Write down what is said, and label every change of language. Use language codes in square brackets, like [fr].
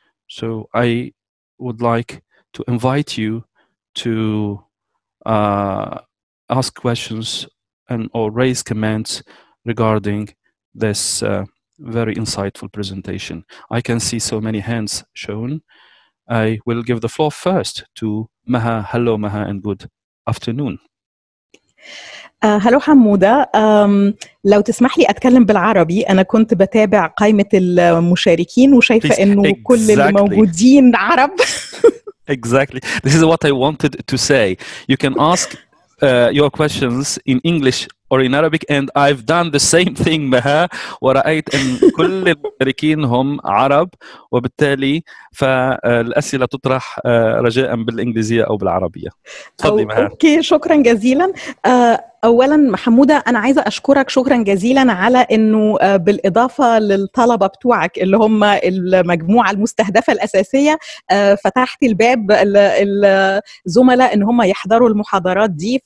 [en] So I would like to invite you to ask questions and or raise comments regarding this very insightful presentation. I can see so many hands shown. I will give the floor first to Maha. Hello, Maha, and good afternoon. [ar] هلو حمودة. لو تسمح لي أتكلم بالعربي. أنا كنت بتابع قائمة المشاركين وشايفة أنه كل الموجودين عرب. [en] Exactly. This is what I wanted to say. You can ask your questions in English or in Arabic, and I've done the same thing, Maha. [ar] ورأيت أن كل المشاركين هم عرب وبالتالي فالأسئلة تطرح رجاء بالإنجليزية أو بالعربية. تفضلي Maha. أوكي شكرا جزيلا. اولا حمودة انا عايزة اشكرك شكرا جزيلا على انه بالاضافة للطلبة بتوعك اللي هم المجموعة المستهدفة الاساسية فتحت الباب للزملاء ان هم يحضروا المحاضرات دي.